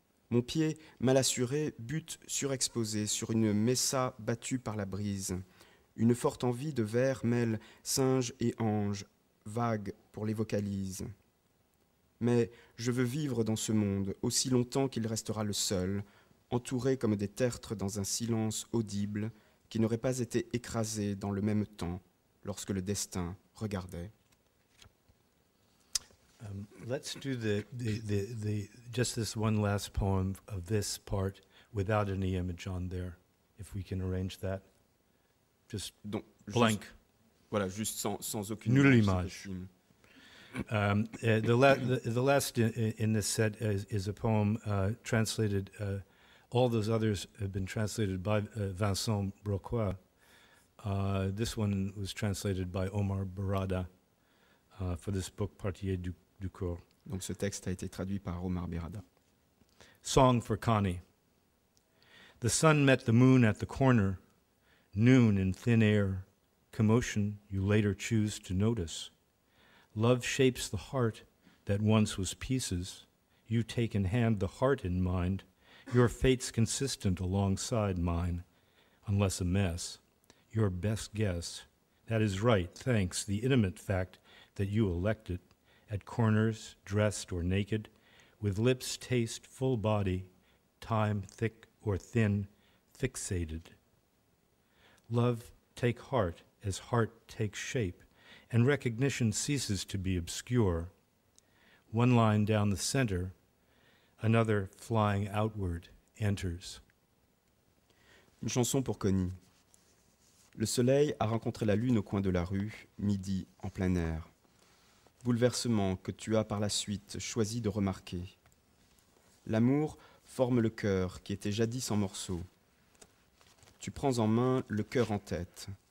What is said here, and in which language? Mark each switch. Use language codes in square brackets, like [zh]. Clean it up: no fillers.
[fr] Mon pied, mal assuré, bute surexposé sur une mesa battue par la brise. Une forte envie de vers mêle singe et ange, vague, pour les vocalises. Mais je veux vivre dans ce monde aussi longtemps qu'il restera le seul, entouré comme des tertres dans un silence audible qui n'aurait pas été écrasé dans le même temps lorsque le destin regardait. [en] Let's do the just this one last poem of this part without any image on there, if we can arrange that. Just donc, blank. [fr] Voilà, juste sans aucune nulle image. [en] The last in this set is a poem translated. All those others have been translated by Vincent Brocoy. This one was translated by Omar Berada for this book, Partier du Corps. [fr] Donc ce texte a été traduit par Omar Berada. [en] Song for Connie. The sun met the moon at the corner, noon in thin air, commotion you later choose to notice. Love shapes the heart that once was pieces. You take in hand the heart in mind. Your fate's consistent alongside mine, unless a mess. Your best guess. That is right, thanks, the intimate fact that you elected at corners, dressed or naked, with lips taste full body, time thick or thin, fixated. Love take heart as heart takes shape, and recognition ceases to be obscure. One line down the center, another flying outward enters. [fr] Une chanson pour Connie. Le soleil a rencontré la lune au coin de la rue, midi en plein air. Bouleversement que tu as par la suite choisi de remarquer. L'amour forme le cœur qui était jadis en morceaux. Tu prends en main le cœur en tête.